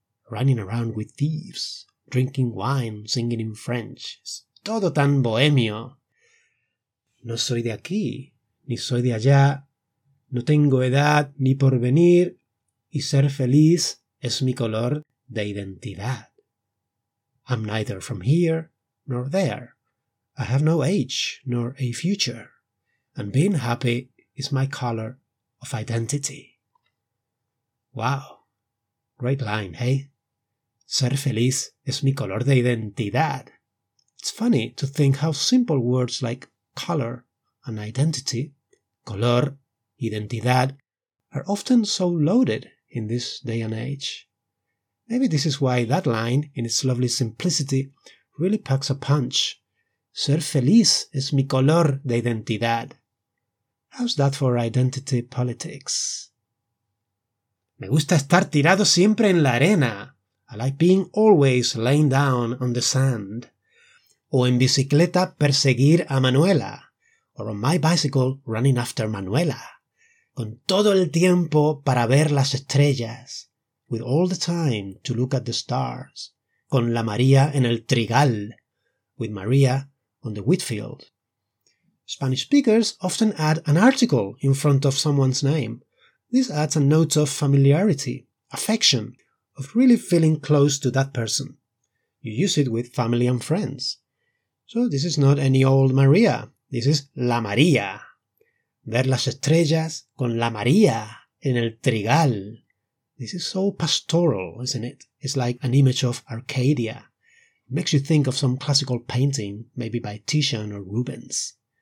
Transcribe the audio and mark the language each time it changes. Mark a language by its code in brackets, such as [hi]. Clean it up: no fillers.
[en] Running around with thieves. Drinking wine, singing in French. [es] Es todo tan bohemio. No soy de aquí, ni soy de allá, no tengo edad ni porvenir, y ser feliz es mi color de identidad. [en] I'm neither from here nor there, I have no age nor a future, and being happy is my color of identity. Wow, great line, hey? Ser feliz es mi color de identidad. It's funny to think how simple words like color and identity, color, identidad, are often so loaded in this day and age. Maybe this is why that line, in its lovely simplicity, really packs a punch. [es] Ser feliz es mi color de identidad. How's that for identity politics? Me gusta estar tirado siempre en la arena. [en] I like being always laying down on the sand. O en bicicleta perseguir a Manuela. Or on my bicycle running after Manuela. [es] Con todo el tiempo para ver las estrellas. [en] With all the time to look at the stars. Con la María en el trigal. With Maria on the wheat field. Spanish speakers often add an article in front of someone's name. This adds a note of familiarity, affection, of really feeling close to that person. You use it with family and friends. So this is not any old Maria, this is La María. [es] Ver las estrellas con La María en el trigal. [en] This is so pastoral, isn't it? It's like an image of Arcadia. It makes you think of some classical painting, maybe by Titian or Rubens.